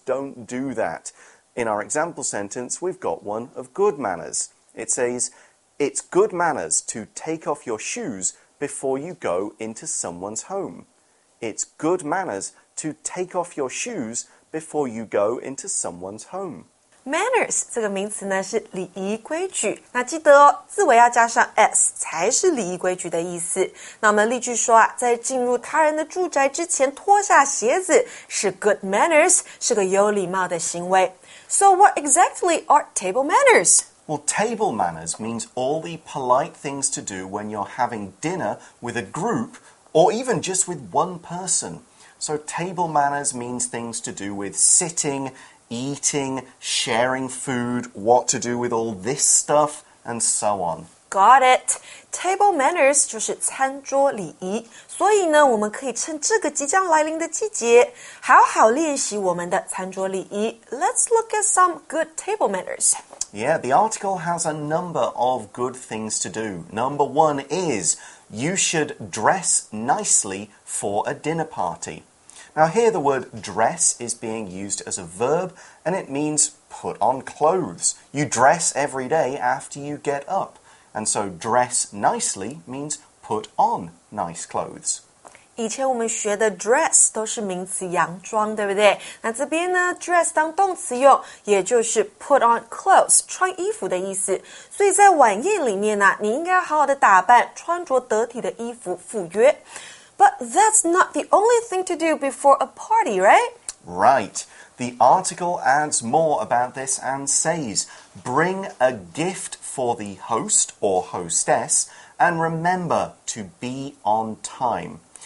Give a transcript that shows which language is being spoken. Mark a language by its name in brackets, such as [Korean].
[English] Don't do that. In our example sentence, we've got one of good manners. It says... It's good manners to take off your shoes before you go into someone's home. It's good manners to take off your shoes before you go into someone's home. [Chinese] Manners 这个名词呢是礼仪规矩。那记得哦，字尾要加上 s 才是礼仪规矩的意思。那我们例句说啊，在进入他人的住宅之前脱下鞋子是 good manners， 是个有礼貌的行为。 [English] So what exactly are table manners? Well, table manners means all the polite things to do when you're having dinner with a group or even just with one person. So table manners means things to do with sitting, eating, sharing food, what to do with all this stuff, and so on. Got it. [Chinese] Table manners 就是餐桌礼仪。所以呢，我们可以趁这个即将来临的季节，好好练习我们的餐桌礼仪。 [English] Let's look at some good table manners. Yeah, the article has a number of good things to do. Number one is, you should dress nicely for a dinner party. Now here the word dress is being used as a verb, and it means put on clothes. You dress every day after you get up. And so dress nicely means put on nice clothes. [Chinese] 以前我们学的 dress 都是名词洋装，对不对？那这边呢 ，dress 当动词用，也就是 [English] put on clothes [Chinese] 穿衣服的意思。所以在晚宴里面呢，你应该好好的打扮，穿着得体的衣服赴约。 [English] But that's not the only thing to do before a party, right? Right. The article adds more about this and says, bring a gift for the host or hostess, and remember to be on time.